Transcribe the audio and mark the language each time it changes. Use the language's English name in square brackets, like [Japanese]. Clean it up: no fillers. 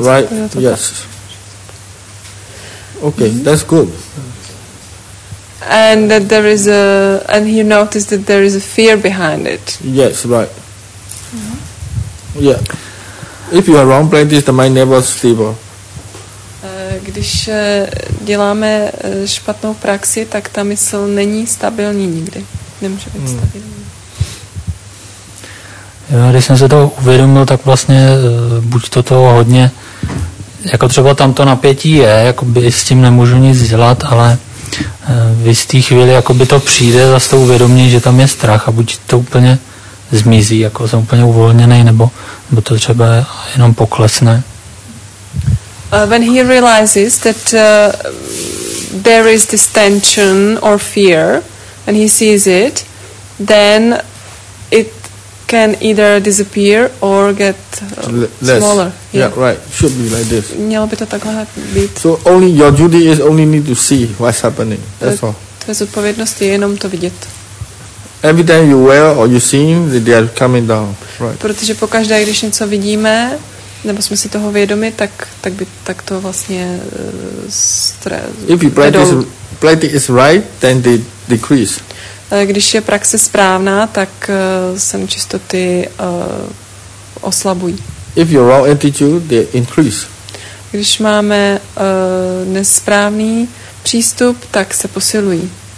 [English] Right, yes. Okay, that's good. And that there is a, and he noticed that there is a fear behind it. Yes, right. Mm-hmm. Yeah. If you are wrong practice, the mind never stable. [Czech] Když děláme špatnou praxi, tak ta mysl není stabilní nikdy. Nemůže být stabilní. Jo, když jsem se to uvědomil, tak vlastně buď to toho hodně, jako třeba tam to napětí je, jakoby s tím nemůžu nic dělat, ale v jistý chvíli jakoby to přijde za to uvědomění, že tam je strach a buď to úplně zmizí, jako jsem úplně uvolněný, nebo to třeba jenom poklesne. [English] When he realizes that there is this tension or fear, and he sees it, then it can either disappear or get less. Smaller. Yeah, right. Should be like this. [Czech] Mělo by to takhle být. [English] So only your duty is only need to see what's happening. That's all. [Czech] Tvoje zodpovědnost je jenom to vidět. [English] Every time you wear or you see, they are coming down. Right. [Czech] Protože pokaždé, když něco vidíme, nebo jsme si toho vědomi, tak by tak to vlastně stres. [English] If you practice is right, then they decrease. [Czech] Když je praxe správná, tak sem čistoty oslabují. [English] If your wrong attitude, they increase. [Czech] Když máme nesprávný přístup, tak se posilují.